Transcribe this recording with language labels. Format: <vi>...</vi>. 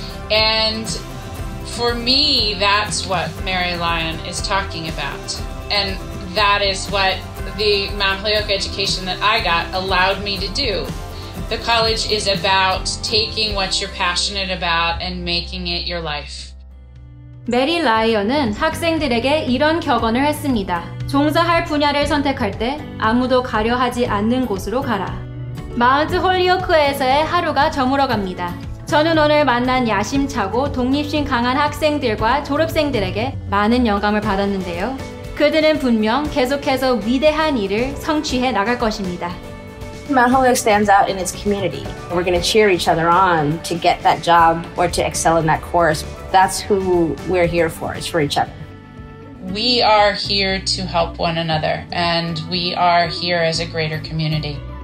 <en>And for me, that's what Mary Lyon is talking about. And that is what the Mount Holyoke education that I got allowed me to do. The college is about taking what you're passionate about and making it your life.</en> <ko>메리 라이언은 학생들에게 이런 격언을 했습니다. 종사할 분야를 선택할 때 아무도 가려하지 않는 곳으로 가라. 마운트 홀리오크에서의 하루가 저물어갑니다. 저는 오늘 만난 야심차고 독립심 강한 학생들과 졸업생들에게 많은 영감을 받았는데요. 그들은 분명 계속해서 위대한 일을 성취해 나갈 것입니다.</ko> <en>Mount Holyoke stands out in its community. We're going to cheer each other on to get that job or to excel in that course. That's who we're here for, is for each other. We are here to help one another, and we are here as a greater community.</en>